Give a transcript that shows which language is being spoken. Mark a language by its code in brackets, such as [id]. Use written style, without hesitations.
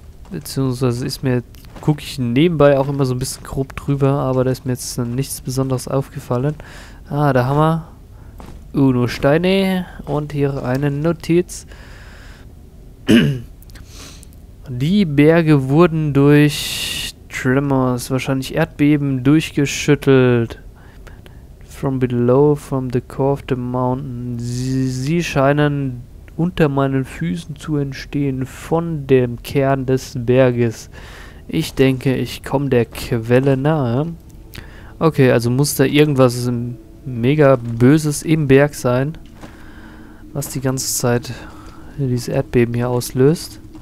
[de] Beziehungsweise ist mir, gucke ich nebenbei auch immer so ein bisschen grob drüber, aber da ist mir jetzt nichts Besonderes aufgefallen. Ah, da haben wir Uno Steine und hier eine Notiz. Die Berge wurden durch Tremors, wahrscheinlich Erdbeben, durchgeschüttelt. [en] From below, from the core of the mountain. [de] Sie scheinen unter meinen Füßen zu entstehen, von dem Kern des Berges. Ich denke, ich komme der Quelle nahe. Okay, also muss da irgendwas mega Böses im Berg sein, was die ganze Zeit dieses Erdbeben hier auslöst.